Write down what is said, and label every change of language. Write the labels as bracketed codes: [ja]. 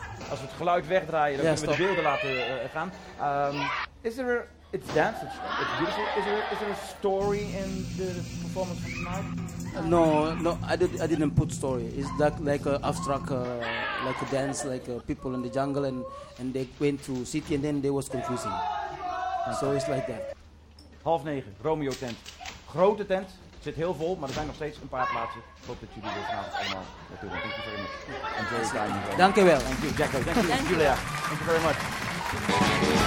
[nl] Als we het geluid wegdraaien, dan kunnen we de beelden laten gaan. [en] It's dance, it's beautiful. Is there a story in the performance of tonight? No, I didn't put story. It's that like an abstract, like a dance, like people in the jungle and they went to city and then they was confusing. And so it's like that. 9:30, Romeo tent. [nl] Grote tent, zit heel vol, maar er zijn nog steeds een paar plaatsen. Ik hoop dat jullie dit vanavond allemaal naartoe gaan. [en] Thank you very much. Enjoy your time. [nl] Dank je wel. [en] Thank you, Jacko. Thank you, Julia. Thank you very much.